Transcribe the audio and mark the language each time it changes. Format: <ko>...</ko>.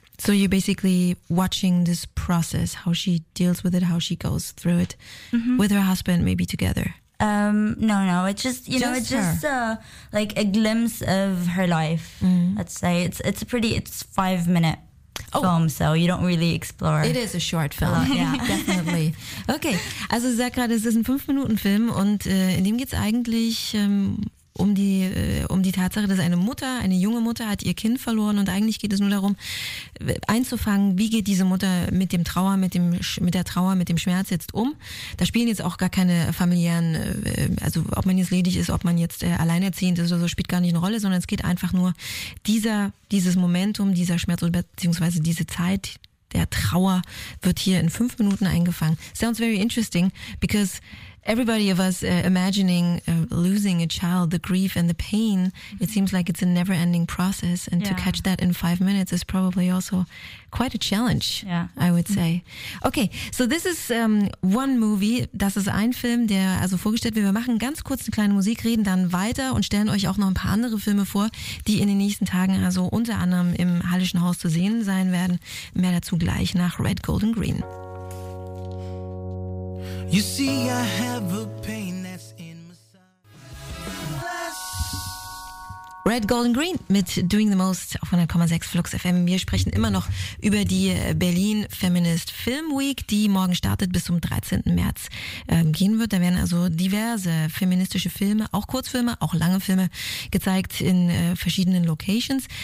<en>So you're basically watching this process, how she deals with it, how she goes through it with her husband, maybe together. No, it's just, you just know, it's her. Just like a glimpse of her life. Mm-hmm. Let's say it's a pretty, it's 5 minute film, so you don't really explore. It is a short film. Yeah, definitely.</en> <de>Okay, also sag gerade, es ist ein 5 Minuten Film, und in dem geht's eigentlich um die Tatsache, dass eine junge Mutter hat ihr Kind verloren, und eigentlich geht es nur darum, einzufangen, wie geht diese Mutter mit dem Trauer, mit der Trauer, mit dem Schmerz jetzt um. Da spielen jetzt auch gar keine familiären, also ob man jetzt ledig ist, ob man jetzt alleinerziehend ist oder so, spielt gar nicht eine Rolle, sondern es geht einfach nur dieses Momentum, dieser Schmerz beziehungsweise diese Zeit der Trauer wird hier in 5 Minuten eingefangen.</de> <en>Sounds very interesting, because everybody of us imagining losing a child, the grief and the pain, it seems like it's a never-ending process. And to catch that in 5 minutes is probably also quite a challenge, I would say. Okay, so this is one movie.</en> <de>Das ist ein Film, der also vorgestellt wird. Wir machen ganz kurz eine kleine Musik, reden dann weiter und stellen euch auch noch ein paar andere Filme vor, die in den nächsten Tagen also unter anderem im Hallischen Haus zu sehen sein werden. Mehr dazu gleich nach Red, Gold and Green.</de> <en>You see, I have a pain that's in my side.</en> <de>Red, Gold and Green mit Doing the Most auf 100,6 Flux FM. Wir sprechen immer noch über die Berlin Feminist Film Week, die morgen startet, bis zum 13. März gehen wird. Da werden also diverse feministische Filme, auch Kurzfilme, auch lange Filme gezeigt in verschiedenen Locations.</de>